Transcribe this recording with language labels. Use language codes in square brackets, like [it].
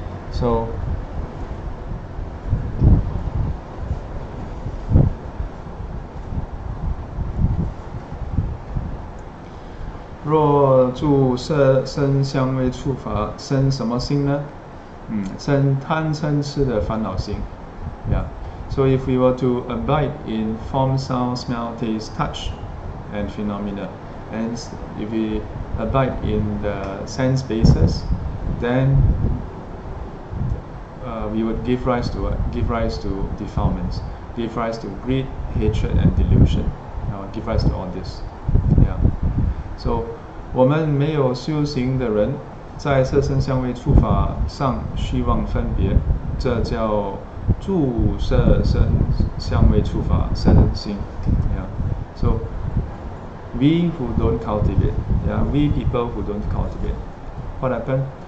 [zh] So,若住色声香味触法生什么心呢？生贪嗔痴的烦恼心。Yeah. [en] So if we were to abide in form, sound, smell, taste, touch, and phenomena, and if we abide in the sense bases, then. We would give rise to defilements, give rise to greed, hatred, and delusion, give rise to all this. Yeah. [zh] So, 我们没有修行的人在色声香味触法上虚妄分别，这叫住色声香味触法生心。 [en] Yeah. So, we who don't cultivate, yeah, we people who don't cultivate, what happened?